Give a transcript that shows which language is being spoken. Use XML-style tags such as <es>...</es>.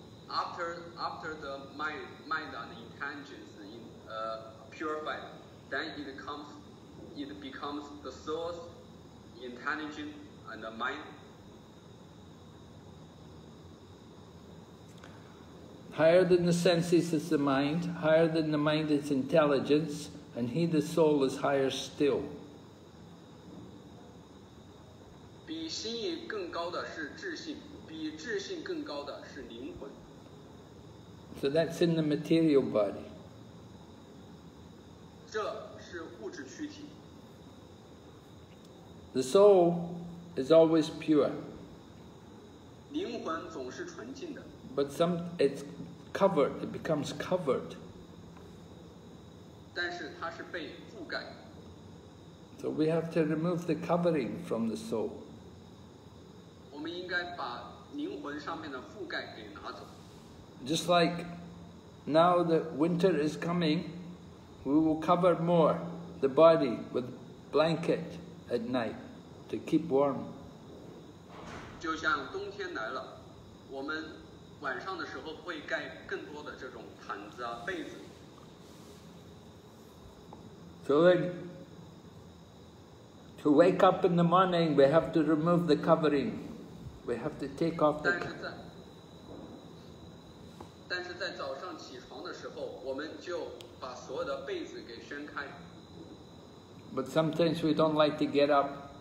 <en>After the mind and intelligence purified, then it becomes the soul's intelligence and the mind. Higher than the senses is the mind, higher than the mind is intelligence, and he, the soul, is higher still.</en> <zh>比心意更高的是智性，比智性更高的是灵魂。</zh> <en>So that's in the material body.</en> <zh>这是物质躯体。</zh> <en>The soul is always pure.</en> <zh>灵魂总是纯净的。</zh> <en>But some, it's covered, it becomes covered.</en> <zh>但是它是被覆盖。</zh> <en>So we have to remove the covering from the soul.</en> <zh>我们应该把灵魂上面的覆盖给拿走。</zh> <en>Just like now that winter is coming, we will cover more the body with blanket at night to keep warm.</en> <zh>就像冬天来了，我们晚上的时候会盖更多的这种毯子啊，被子。</zh> <en>So then, to wake up in the morning, we have to remove the covering. We have to take off the covering.</en> <zh>但是在早上起床的时候，我们就把所有的被子给掀开。</zh> <en>But sometimes we don't like to get up.</en>